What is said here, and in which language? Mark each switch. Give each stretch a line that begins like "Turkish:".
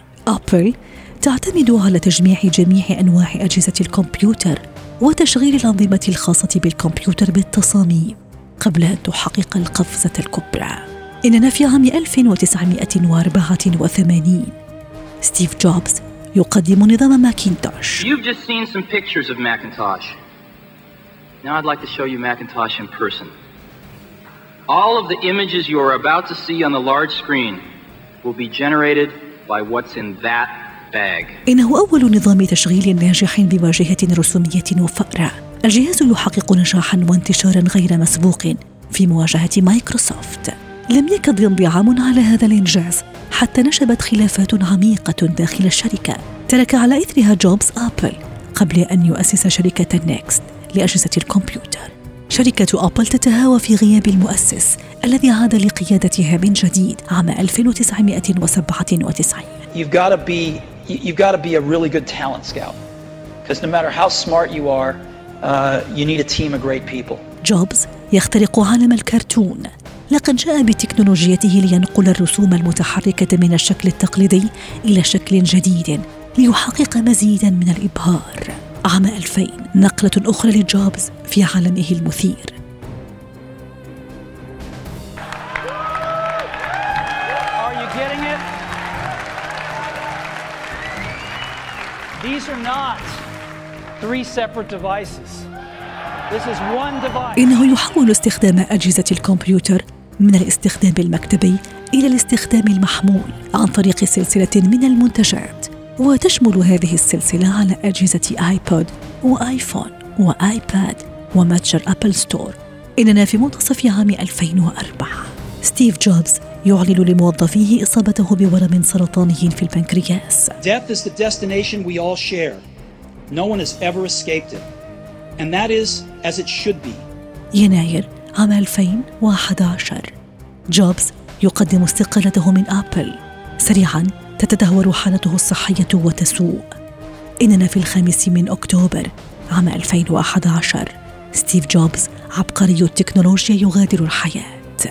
Arabic: أبل تعتمد على تجميع جميع أنواع أجهزة الكمبيوتر وتشغيل الأنظمة الخاصة بالكمبيوتر بالتصاميم قبل أن تحقق القفزة الكبرى. إننا في عام 1984. ستيف جوبز يقدم نظام ماكنتوش.
English: You've just seen some pictures of Macintosh. Now I'd like to show you Macintosh in person. All of the images you are about to see on the large screen will be generated by what's in that bag.
Arabic: إنه أول نظام تشغيل ناجح بواجهة رسومية وفأرة. الجهاز يحقق نجاحاً وانتشاراً غير مسبوق في مواجهة مايكروسوفت. لم يكد يمضي عام على هذا الإنجاز حتى نشبت خلافات عميقة داخل الشركة ترك على إثرها جوبز أبل قبل أن يؤسس شركة نيكست لأجهزة الكمبيوتر. شركة أبل تتهاوى في غياب المؤسس الذي عاد لقيادتها من جديد عام 1997.
English: You've got to be a really good talent scout, because no matter how smart you are, you need a team of great people.
Arabic: جوبز يخترق عالم الكرتون. لقد جاء بتكنولوجيته لينقل الرسوم المتحركة من الشكل التقليدي إلى شكل جديد ليحقق مزيداً من الإبهار. عام 2000 نقلة أخرى لجوبز في عالمه المثير.
English: Are you getting it? These are not three separate devices. This is one device.
Arabic: إنه يحول استخدام أجهزة الكمبيوتر من الاستخدام المكتبي إلى الاستخدام المحمول عن طريق سلسلة من المنتجات، وتشمل هذه السلسلة على أجهزة آيبود وآيفون وآيباد ومتجر أبل ستور. إننا في منتصف عام 2004. ستيف جوبز يعلن لموظفيه إصابته بورم سرطاني في البنكرياس.
English: Death is the destination we all share. No one has ever escaped it. And that is as it should be.
Arabic: يناير عام 2011 جوبز يقدم استقالته من أبل. سريعاً تتدهور حالته الصحية وتسوء. إننا في الخامس من أكتوبر عام 2011. ستيف جوبز عبقري التكنولوجيا يغادر الحياة.